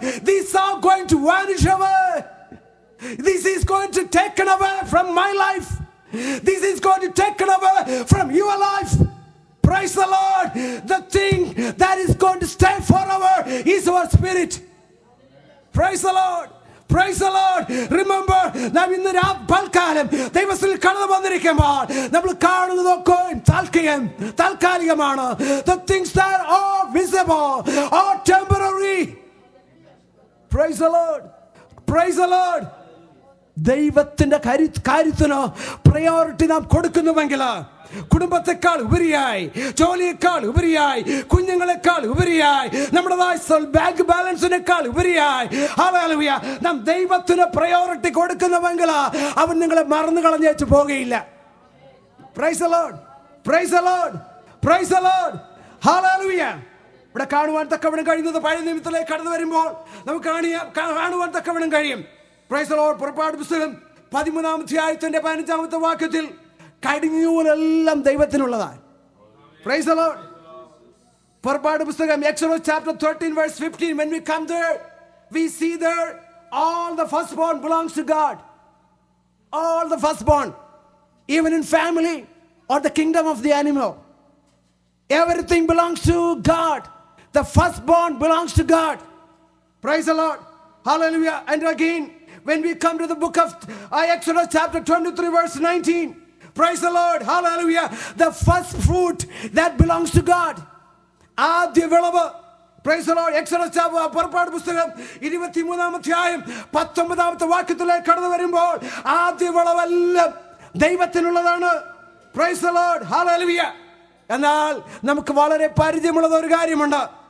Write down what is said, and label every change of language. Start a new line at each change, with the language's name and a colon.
English: This is all going to vanish away. This is going to taken away from my life. This is going to taken away from your life. Praise the Lord. The thing that is going to stay forever is our spirit. Praise the Lord. Praise the Lord. Remember,
Malayalam: നാം ഇന്ന് പൽക്കാലം ദൈവത്തിൽ കടന്നു വന്നിരിക്കുമ്പോൾ നമ്മൾ കാണുന്നതൊക്കെയും താൽക്കാലികം, താൽക്കാലികമാണ്.
English: The things that are visible are temporary. Praise the Lord. Praise the Lord.
Malayalam: ദൈവത്തിന്റെ കാര്യത്തിന് priority നാം കൊടുക്കുന്നുവെങ്കിൽ, കുടുംബത്തെക്കാൾ ഉപരിയായി, ജോലിയേക്കാൾ ഉപരിയായി, കുഞ്ഞുങ്ങളെക്കാൾ ഉപരിയായി, നമ്മുടേതായ ബാങ്ക് ബാലൻസിനേക്കാൾ ഉപരിയായി, ഹല്ലേലൂയ, നാം ദൈവത്തിന് പ്രയോറിറ്റി കൊടുക്കുന്നുവെങ്കിൽ അവൻ നിങ്ങളെ മറന്നു കളഞ്ഞേച്ച് പോകുകയില്ല.
English: Praise the Lord, praise the Lord, praise the Lord, hallelujah.
Malayalam: ഇവിടെ കാണുവാൻ തക്കവണ്ണം കഴിയുന്നത് പഴയ നിമിത്തത്തിലേക്ക് കടന്നു വരുമ്പോൾ നമുക്ക് കാണുവാൻ തക്കവണ്ണം കഴിയും.
English: Praise the Lord.
Malayalam: പുറപ്പാട് പുസ്തകം 13-ാം അധ്യായത്തിന്റെ 15-ാമത്തെ വാക്യത്തിൽ കടിഞ്ഞൂലെല്ലാം ദൈവത്തിനുള്ളതാണ്.
English: Praise the Lord.
Malayalam: പുറപ്പാട് പുസ്തകം
English: Exodus chapter 13:15, when we come there, we see there all the firstborn belongs to God. All the firstborn, even in family or the kingdom of the animal, everything belongs to God. The firstborn belongs to God. Praise the Lord. Hallelujah. And again, when we come to the book of Exodus chapter 23:19, praise the Lord. Hallelujah. The first fruit that belongs to God. Adivalava. Praise the Lord. Exodus chapter
Malayalam: parapad pustakam 23-ാം അധ്യായം 19-ാമത്തെ വാക്യത്തിലേക്ക് കടന്നു വരുമ്പോൾ adivalava എല്ലാം ദൈവത്തിനുള്ളതാണ്.
English: Praise the Lord. Hallelujah.
Malayalam: എന്നാൽ നമുക്ക് വളരെ പരിചയമുള്ള ഒരു കാര്യമുണ്ട്.